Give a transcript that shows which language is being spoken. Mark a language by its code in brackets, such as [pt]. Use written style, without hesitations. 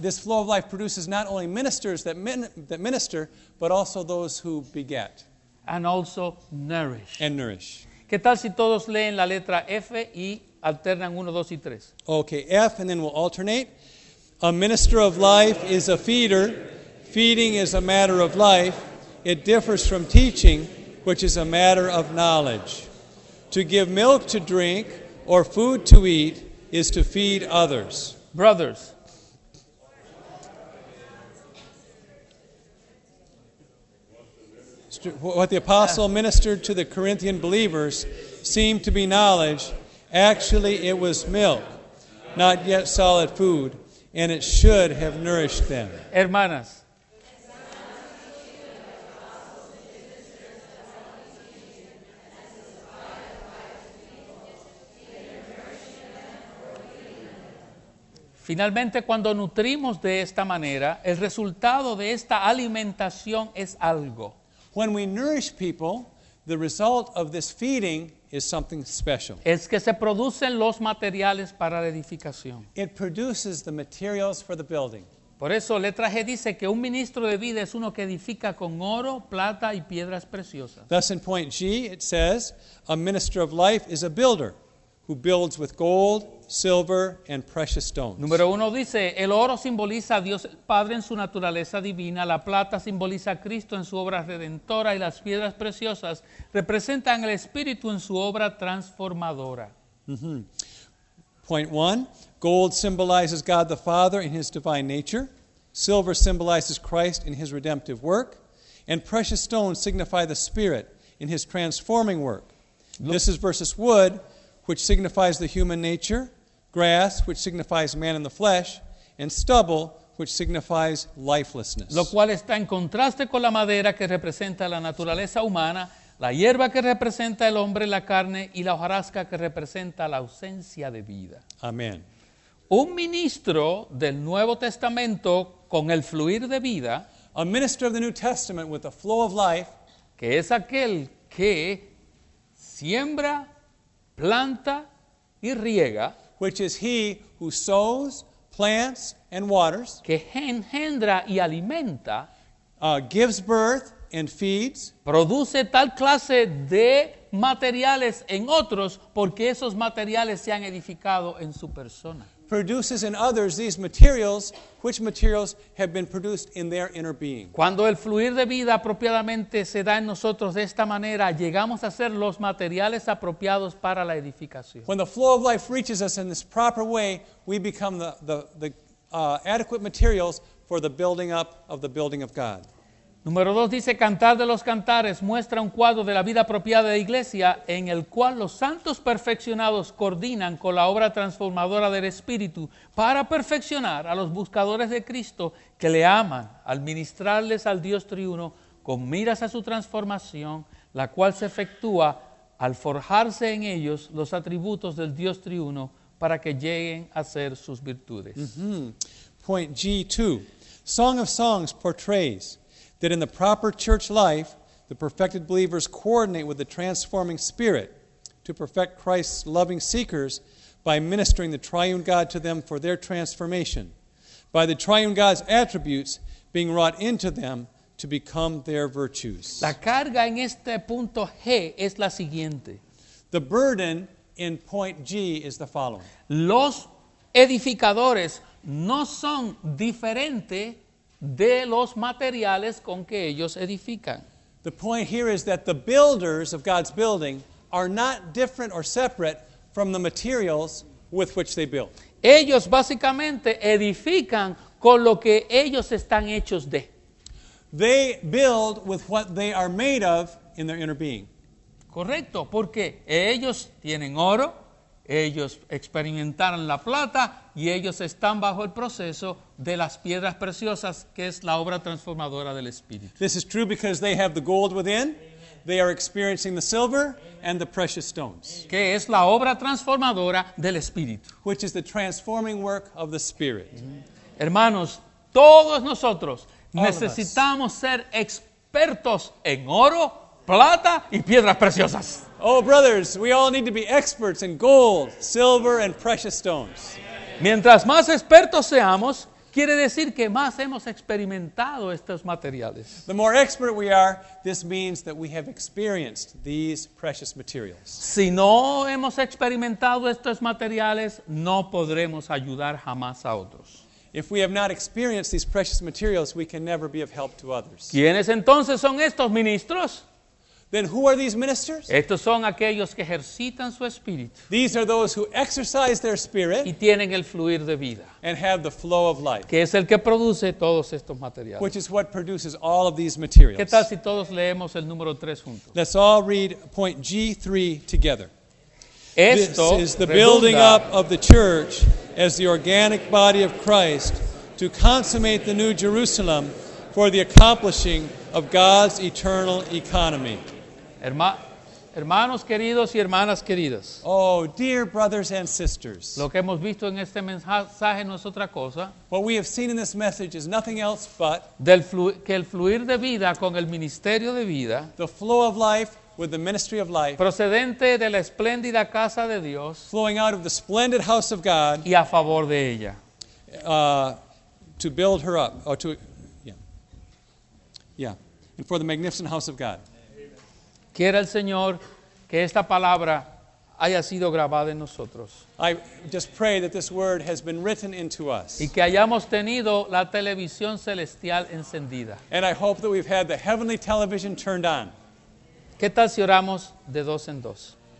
[en] This flow of life produces not only ministers that minister, but also those who beget. And also nourish. And nourish. [es] ¿Qué tal si todos leen la letra F y alternan 1, 2 y 3? [en] Okay, F, and then we'll alternate. A minister of life is a feeder. Feeding is a matter of life. It differs from teaching, which is a matter of knowledge. To give milk to drink or food to eat is to feed others. Brothers. What the apostle ministered to the Corinthian believers seemed to be knowledge. Actually, it was milk, not yet solid food. And it should have nourished them. [es] Hermanas. [en] Brothers. [es] Finalmente, cuando nutrimos de esta manera, el resultado de esta alimentación es algo. [en] When we nourish people, the result of this feeding is something special. [es] Es que se producen los materiales para la edificación. [en] It produces the materials for the building. [es] Por eso letra G dice que un ministro de vida es uno que edifica con oro, plata y piedras preciosas. [en] Thus in point G it says, a minister of life is a builder who builds with gold, silver and precious stones. [es] Número uno dice, el oro simboliza a Dios el Padre en su naturaleza divina, la plata simboliza a Cristo en su obra redentora y las piedras preciosas representan al Espíritu en su obra transformadora. Mm-hmm. [en] Point one, gold symbolizes God the Father in his divine nature, silver symbolizes Christ in his redemptive work, and precious stones signify the Spirit in his transforming work. This is versus wood, which signifies the human nature, grass, which signifies man in the flesh, and stubble, which signifies lifelessness. [es] Lo cual está en contraste con la madera que representa la naturaleza humana, la hierba que representa el hombre, la carne, y la hojarasca que representa la ausencia de vida. Amén. Un ministro del Nuevo Testamento con el fluir de vida, [en] a minister of the New Testament with the flow of life, [es] que es aquel que siembra, planta y riega, [en] which is he who sows, plants, and waters, [es] que engendra y alimenta, [en] gives birth and feeds, [es] produce tal clase de materiales en otros porque esos materiales se han edificado en su persona. [en] Produces in others these materials, which materials have been produced in their inner being. [es] Cuando el fluir de vida apropiadamente se da en nosotros de esta manera, llegamos a ser los materiales apropiados para la edificación. [en] When the flow of life reaches us in this proper way, we become the adequate materials for the building up of the building of God. [es] Número dos dice, Cantar de los Cantares muestra un cuadro de la vida apropiada de la iglesia en el cual los santos perfeccionados coordinan con la obra transformadora del Espíritu para perfeccionar a los buscadores de Cristo que le aman al ministrarles al Dios triuno con miras a su transformación, la cual se efectúa al forjarse en ellos los atributos del Dios triuno para que lleguen a ser sus virtudes. [en] Mm-hmm. Point G2. Song of Songs portrays that in the proper church life, the perfected believers coordinate with the transforming Spirit to perfect Christ's loving seekers by ministering the triune God to them for their transformation, by the triune God's attributes being wrought into them to become their virtues. [es] La carga en este punto G es la siguiente. [en] The burden in point G is the following. [es] Los edificadores no son diferentes de los materiales con que ellos edifican. [en] The point here is that the builders of God's building are not different or separate from the materials with which they build. [es] Ellos básicamente edifican con lo que ellos están hechos de. [en] They build with what they are made of in their inner being. [es] Correcto, porque ellos tienen oro, ellos experimentaron la plata y ellos están bajo el proceso de las piedras preciosas, que es la obra transformadora del Espíritu. [en] This is true because they have the gold within. Amen. They are experiencing the silver. Amen. And the precious stones. [es] Que es la obra transformadora del Espíritu. [en] Which is the transforming work of the Spirit. Amen. [es] Hermanos, todos nosotros necesitamos ser expertos en oro, plata y piedras preciosas. [en] Oh, brothers, we all need to be experts in gold, silver, and precious stones. [es] Mientras más expertos seamos, quiere decir que más hemos experimentado estos materiales. [en] The more expert we are, this means that we have experienced these precious materials. [es] Si no hemos experimentado estos materiales, no podremos ayudar jamás a otros. [en] If we have not experienced these precious materials, we can never be of help to others. [es] ¿Quiénes entonces son estos ministros? [en] Then who are these ministers? [es] Estos son aquellos que ejercitan su espíritu. [en] These are those who exercise their spirit. [es] Y tienen el fluir de vida. [en] And have the flow of life. [es] Que es el que produce todos estos materiales. [en] Which is what produces all of these materials. [es] ¿Qué tal si todos leemos el número 3 juntos? [en] Let's all read point G3 together. [es] Esto [en] this is the building up of the church as the organic body of Christ to consummate the new Jerusalem for the accomplishing of God's eternal economy. [es] Hermano, Hermanos queridos y hermanas queridas. [en] Oh, dear brothers and sisters. [es] Lo que hemos visto en este mensaje no es otra cosa. [en] What we have seen in this message is nothing else but [es] que el fluir de vida con el ministerio de vida. [en] The flow of life with the ministry of life. [es] Procedente de la espléndida casa de Dios. [en] Flowing out of the splendid house of God. [es] Y a favor de ella. [en] To build her up, or to, yeah, yeah, and for the magnificent house of God. [es] Quiera el Señor que esta palabra haya sido grabada en nosotros. [en] I just pray that this word has been written into us. [es] Y que hayamos tenido la televisión celestial encendida. [en] And I hope that we've had the heavenly television turned on. [es] ¿Qué tal si oramos de dos en dos?